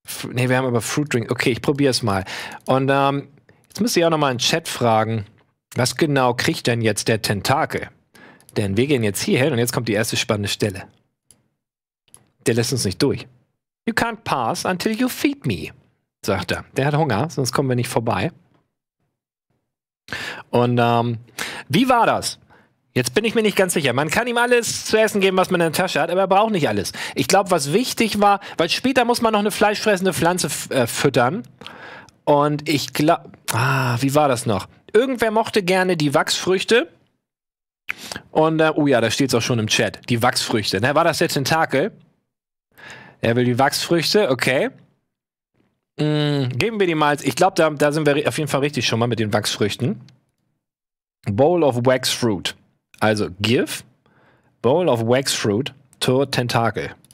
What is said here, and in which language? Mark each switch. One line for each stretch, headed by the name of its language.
German: Nee, wir haben aber Fruit Drink. Okay, ich probiere es mal. Und jetzt müsste ich auch noch mal in den Chat fragen, was genau kriegt denn jetzt der Tentakel? Denn wir gehen jetzt hier hin und jetzt kommt die erste spannende Stelle. Der lässt uns nicht durch.
English: You can't pass until you feed me,
German: sagt er. Der hat Hunger, sonst kommen wir nicht vorbei. Und wie war das? Jetzt bin ich mir nicht ganz sicher. Man kann ihm alles zu essen geben, was man in der Tasche hat, aber er braucht nicht alles. Ich glaube, was wichtig war, weil später muss man noch eine fleischfressende Pflanze füttern. Und ich glaube, wie war das noch? Irgendwer mochte gerne die Wachsfrüchte. Und, oh ja, da steht es auch schon im Chat. Die Wachsfrüchte. Na, war das der Tentakel? Er will die Wachsfrüchte, okay. Geben wir die mal. Ich glaube, da sind wir auf jeden Fall richtig schon mal mit den Wachsfrüchten.
English: Bowl of Wax Fruit. Also, give bowl of wax fruit to Tentakel.